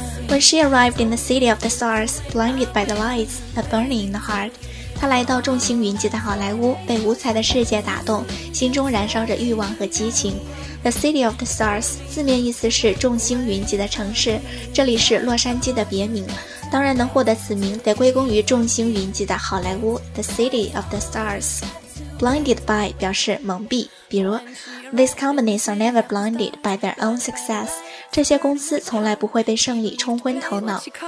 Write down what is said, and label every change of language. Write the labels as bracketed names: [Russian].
[English] When she arrived in the city of the stars, blinded by the lights, a burning in the heart. [Chinese] 她来到众星云集的好莱坞，被五彩的世界打动，心中燃烧着欲望和激情。 The city of the stars, 字面意思是众星云集的城市，这里是洛杉矶的别名。当然能获得此名，得归功于众星云集的好莱坞。 [English] The city of the stars. Blinded by [Chinese] 表示蒙蔽，比如 [English] These companies are never blinded by their own success. [Chinese] 这些公司从来不会被胜利冲昏头脑。